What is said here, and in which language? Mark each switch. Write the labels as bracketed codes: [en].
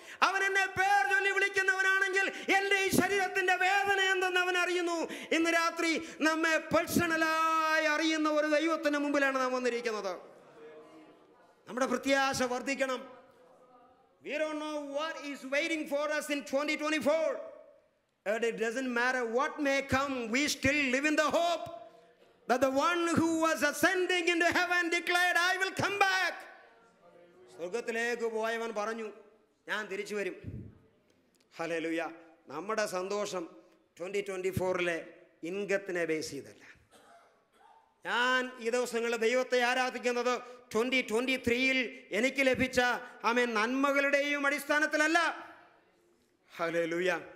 [ml] അവൻ എന്നെ പേർ ചൊല്ലി വിളിക്കുന്നവനാണെങ്കിൽ എൻ്റെ ഈ ശരീരത്തിൻ്റെ വേദന എന്തെന്ന് അവൻ അറിയുന്നു. ഇന്ന് രാത്രി നമ്മെ പേഴ്സണലായി അറിയുന്ന ഒരു ദൈവത്തിന് മുമ്പിലാണ് നാം വന്നിരിക്കുന്നത്. നമ്മുടെ പ്രത്യാശ വർദ്ധിക്കണം. [en] We don't know what is waiting for us in 2024. And it doesn't matter what may come, we still live in the hope that the one who was ascending into heaven declared, I will come back. [ml] സ്വർഗ്ഗത്തിലേക്ക് പോയവൻ പറഞ്ഞു, ഞാൻ തിരിച്ചു വരും. Hallelujah. നമ്മുടെ സന്തോഷം 2024 ഇൻകത്തിനെ base ചെയ്തല്ല. ഞാൻ ഈ ദിവസങ്ങളിൽ ദൈവത്തെ ആരാധിക്കുന്നത് 2023 എനിക്ക് ലഭിച്ച ആമേൻ നന്മകളുടെയും അടിസ്ഥാനത്തിലല്ല. ഹല്ലേലൂയ.